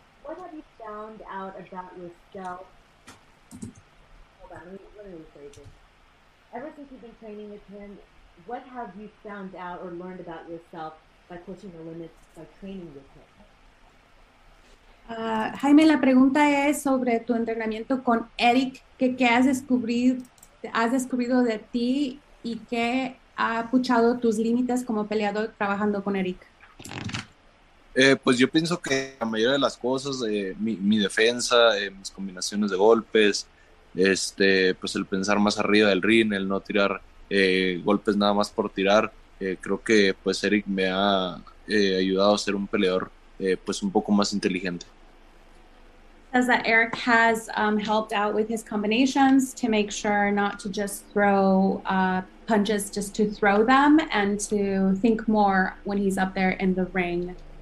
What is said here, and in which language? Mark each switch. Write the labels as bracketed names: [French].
[English] What have you found out about yourself? Hold on, let me rephrase this. Ever since you've been training with him, what have you found out or learned about yourself by pushing the limits by training with him? [Spanish] Jaime, la pregunta es sobre tu entrenamiento con Eric. ¿Qué has descubierto de ti y qué ha puchado tus límites como peleador trabajando con Eric? Pues yo pienso que la mayoría de las cosas, mi defensa, mis combinaciones de golpes, pues el pensar más arriba del ring, el no tirar golpes nada más por tirar. Creo que pues Eric me ha ayudado a ser un peleador pues un poco más inteligente. [English] Says that Eric has helped out with his combinations to make sure not to just throw punches just to throw them, and to think more when he's up there in the ring.